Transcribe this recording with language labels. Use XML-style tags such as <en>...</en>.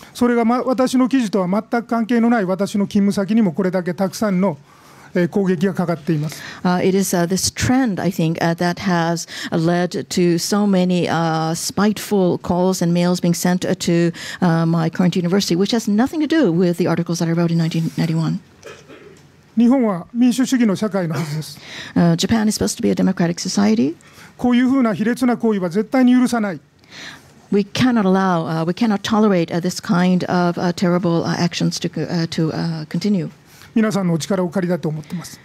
<ja>それが、私の記事とは全く関係のない私の勤務先にもこれだけたくさんの攻撃がかかっています。</ja> <en>It is this trend, I think, that has led to so many spiteful calls and mails being sent to my current university, which has nothing to do with the articles that I wrote in 1991.</en> <ja>日本は民主主義の社会のはずです。</ja> <en>Japan is supposed to be a democratic society.</en> <ja>こういうふうな卑劣な行為は絶対に許さない。</ja> <en>We cannot allow, we cannot tolerate this kind of terrible actions to continue.</en> <ja>皆さんのお力を借りたいと思っています。</ja>